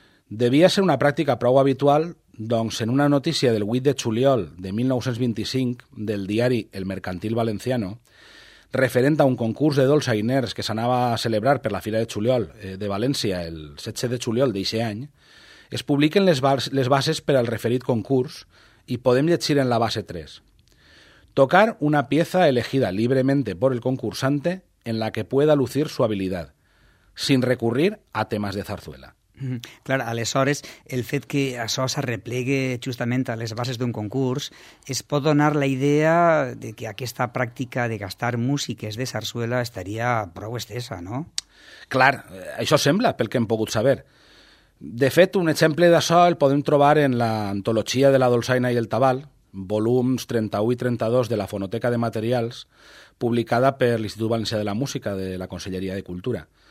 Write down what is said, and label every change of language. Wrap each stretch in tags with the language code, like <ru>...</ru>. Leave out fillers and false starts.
<ca>Devia ser una pràctica prou habitual, doncs, en una notícia del 8 de juliol de 1925 del diari El Mercantil Valenciano, referent a un concurs de dolçainers que s'anava a celebrar per la Fira de Juliol de València el 16 de juliol d'eixe any, es publiquen les bases per al referit concurs i podem llegir en la base 3.</ca> <es>Tocar una pieza elegida libremente por el concursante en la que pueda lucir su habilidad, sin recurrir a temas de zarzuela.</es> <ca>Clar, aleshores, el fet que això s'arreplegui justament a les bases d'un concurs es pot donar la idea de que aquesta pràctica de gastar músiques de sarsuela estaria prou estesa, no? Clar, això sembla, pel que hem pogut saber. De fet, un exemple d'això el podem trobar en l'antologia de la dolçaina i el tabal, volums 31 i 32 de la Fonoteca de Materials, publicada per l'Institut Valencià de la Música de la Conselleria de Cultura.</ca>